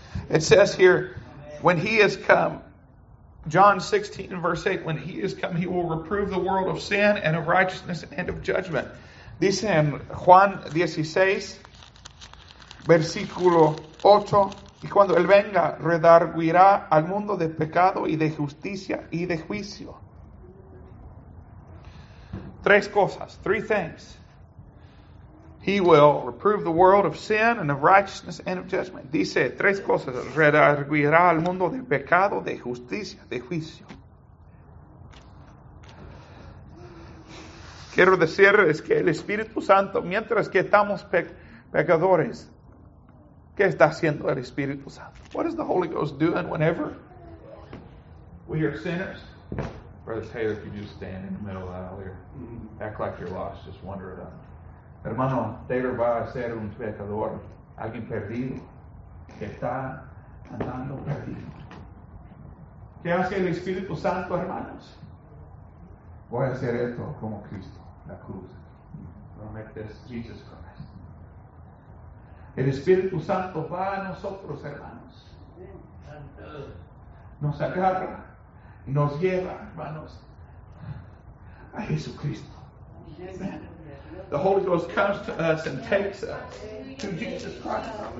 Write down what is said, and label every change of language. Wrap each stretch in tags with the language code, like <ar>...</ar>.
<en>It says here, when he has come, John 16 and verse 8, when he has come, he will reprove the world of sin and of righteousness and of judgment.</en> <es>Dice en Juan 16, versículo 8, y cuando él venga, redarguirá al mundo de pecado y de justicia y de juicio. Tres cosas,</es> <en>three things. He will reprove the world of sin and of righteousness and of judgment.</en> <es>Dice tres cosas. Redarguirá al mundo de pecado, de justicia, de juicio. Quiero decirles que el Espíritu Santo, mientras que estamos pecadores, ¿qué está haciendo el Espíritu Santo?</es> <en>What is the Holy Ghost doing whenever we are sinners? Brother Taylor, could you stand in the middle of that aisle here? Act like you're lost. Just wander it up.</en> <es>Hermano, Taylor va a ser un pecador, alguien perdido, que está andando perdido. ¿Qué hace el Espíritu Santo, hermanos? Voy a hacer esto como Cristo, la cruz. Promete Jesus Christ. El Espíritu Santo va a nosotros, hermanos. Nos agarra y nos lleva, hermanos, a Jesucristo.</es> <en>Amen. The Holy Ghost comes to us and takes us to Jesus Christ.</en>